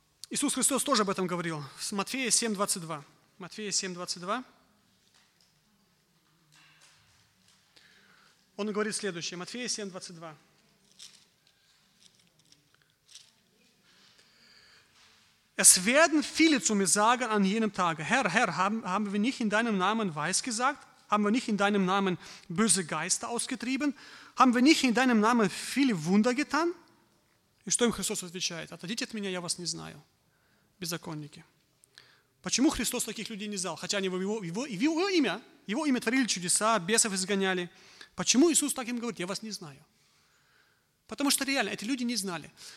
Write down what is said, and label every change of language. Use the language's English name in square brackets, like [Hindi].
[Russian] Иисус Христос тоже об этом говорил. Матфея 7:22. Он говорит следующее, Матфея 7:22. [German] Es werden viele zu mir sagen an jenem Tage, Herr, Herr, haben wir nicht in deinem Namen weisgesagt? Haben wir nicht in deinem Namen böse Geister ausgetrieben? Haben wir nicht in deinem Namen viele Wunder getan? [Russian] И что им Христос отвечает? Отойдите от меня, я вас не знаю. Беззаконники. Почему Христос таких людей не знал? Хотя они его имя творили чудеса, бесов изгоняли. Почему Иисус так им говорит? Я вас не знаю. Потому что реально, эти люди не знали.